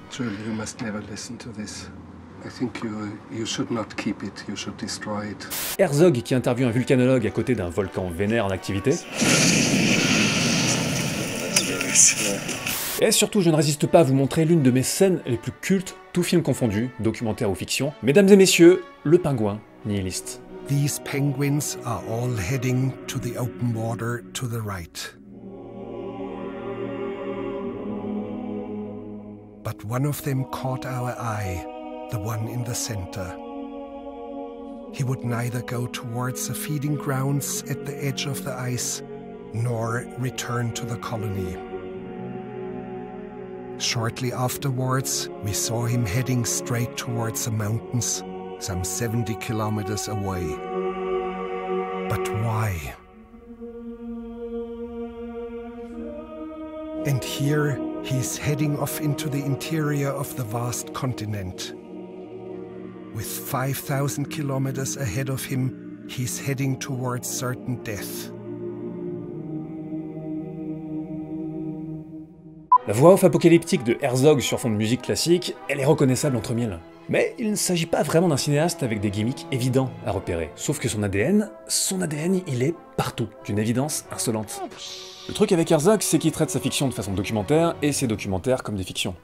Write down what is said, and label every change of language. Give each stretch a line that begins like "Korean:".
English: Truly, you must never listen to this. I think you should not keep it. You should destroy it.
French: Herzog qui interviewe un vulcanologue à côté d'un volcan vénère en activité. Et surtout, je ne résiste pas à vous montrer l'une de mes scènes les plus cultes, tout film confondu, documentaire ou fiction. Mesdames et messieurs, le pingouin nihiliste.
English: These penguins are all heading to the open water to the right. But one of them caught our eye, the one in the center. He would neither go towards the feeding grounds at the edge of the ice, nor return to the colony. Shortly afterwards, we saw him heading straight towards the mountains, some 70 kilometers away. But why? And here he's heading off into the interior of the vast continent. With 5,000 kilometers ahead of him, he's heading towards certain death.
French: La voix off apocalyptique de Herzog sur fond de musique classique, elle est reconnaissable entre mille. Mais il ne s'agit pas vraiment d'un cinéaste avec des gimmicks évidents à repérer. Sauf que son ADN, il est partout, d'une évidence insolente. Le truc avec Herzog, c'est qu'il traite sa fiction de façon documentaire et ses documentaires comme des fictions.